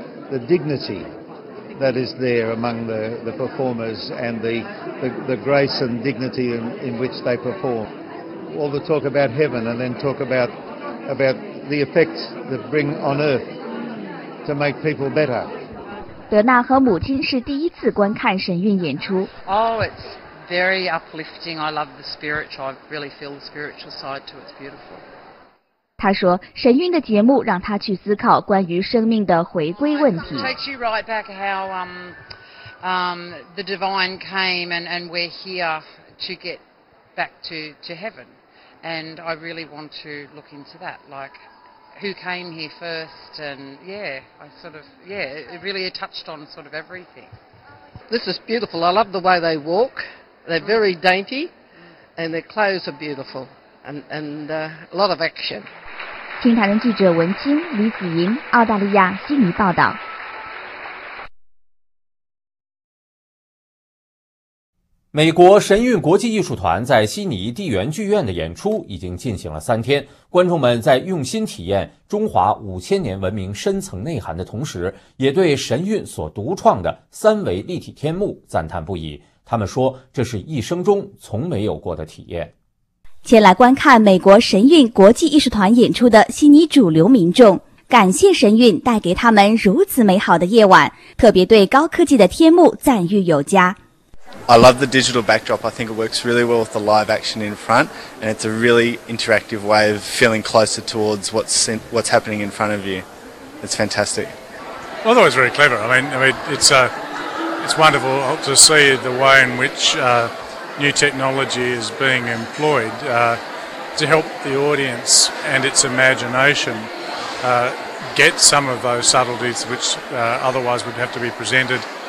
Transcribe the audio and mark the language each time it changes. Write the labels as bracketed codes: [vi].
[en] The dignity that is there among the performers and the grace and dignity in which they perform. All the talk about heaven and then talk about the effects that bring on earth. To make people better. [zh] 德纳和母亲是第一次观看神韵演出。 [en] Oh, it's very uplifting. I love the spiritual. I really feel the spiritual side to it. It's beautiful. [zh] 他说，神韵的节目让他去思考关于生命的回归问题。 [en] It takes you right back how the divine came and we're here to get back to heaven. And I really want to look into that, like. Who came here first, and it really touched on sort of everything. This is beautiful. I love the way they walk. They're very dainty, and their clothes are beautiful, and a lot of action. [zh] 新唐人记者文清、李子莹，澳大利亚悉尼报道。美国神韵国际艺术团在悉尼地缘剧院的演出已经进行了三天，观众们在用心体验中华五千年文明深层内涵的同时，也对神韵所独创的三维立体天幕赞叹不已。他们说，这是一生中从没有过的体验。前来观看美国神韵国际艺术团演出的悉尼主流民众，感谢神韵带给他们如此美好的夜晚，特别对高科技的天幕赞誉有加。 [en] I love the digital backdrop. I think it works really well with the live action in front, and it's a really interactive way of feeling closer towards what's happening in front of you. It's fantastic. I thought it was very clever. I mean, it's wonderful to see the way in which new technology is being employed to help the audience and its imagination get some of those subtleties which otherwise would have to be presented.